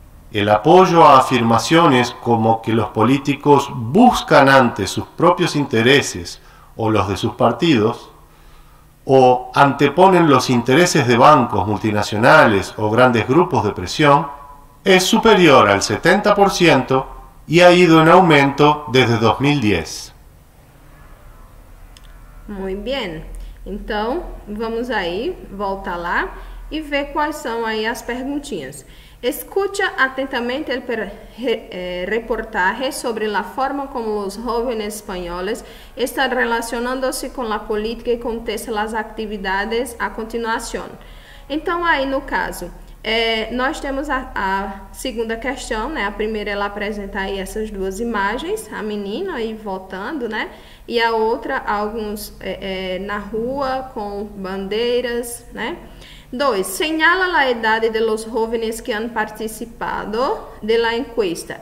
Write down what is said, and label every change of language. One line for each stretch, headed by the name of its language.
Spanish: El apoyo a afirmaciones como que los políticos buscan antes sus propios intereses o los de sus partidos, o anteponen los intereses de bancos multinacionales o grandes grupos de presión, es superior al 70% y ha ido en aumento desde 2010. Muy bien.
Portuguese: Então, vamos aí, volta lá e ver quais são aí as perguntinhas. Escute atentamente o reportaje sobre a forma como os jovens espanhóis estão relacionando-se com a política e contestam as atividades a continuação. Então, aí no caso, nós temos a segunda questão, né? A primeira ela apresenta aí essas duas imagens, a menina aí votando, né? E a outra, alguns na rua com bandeiras, né?
Spanish: Dois, señala a idade de los jóvenes que han participado de la encuesta.